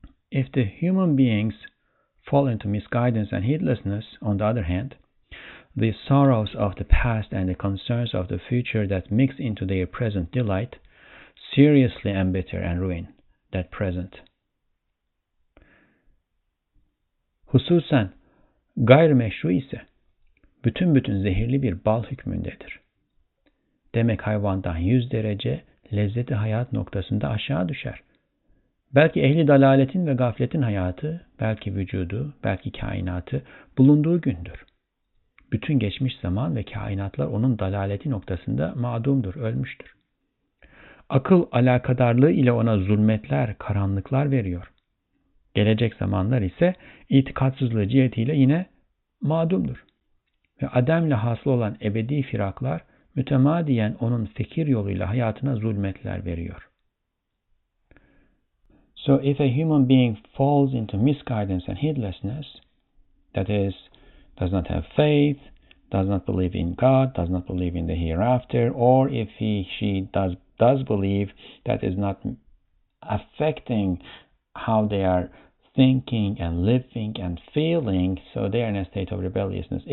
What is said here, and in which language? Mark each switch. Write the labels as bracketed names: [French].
[English] If the human beings fall into misguidance and heedlessness, on the other hand, the sorrows of the past and the concerns of the future that mix into their present delight seriously embitter and ruin that present. [Turkish] Hususan gayrimeşru ise bütün zehirli bir bal hükmündedir. Demek hayvandan 100 derece lezzeti hayat noktasında aşağı düşer. Belki ehli dalaletin ve gafletin hayatı, belki vücudu, belki kainatı bulunduğu gündür. Bütün geçmiş zaman ve kainatlar onun dalaleti noktasında madumdur, ölmüştür. Akıl alakadarlığı ile ona zulmetler, karanlıklar veriyor. Gelecek zamanlar ise itikatsızlığı cihetiyle yine madumdur. Ve Adem'le hasıl olan ebedi firaklar mütemadiyen onun fikir yoluyla hayatına zulmetler veriyor. [English] So if a human being falls into misguidance and heedlessness, that is, does not have faith, does not believe in God, does not believe in the hereafter, or if she does believe, that is not affecting how they are thinking and living and feeling, so they are in a state of rebelliousness.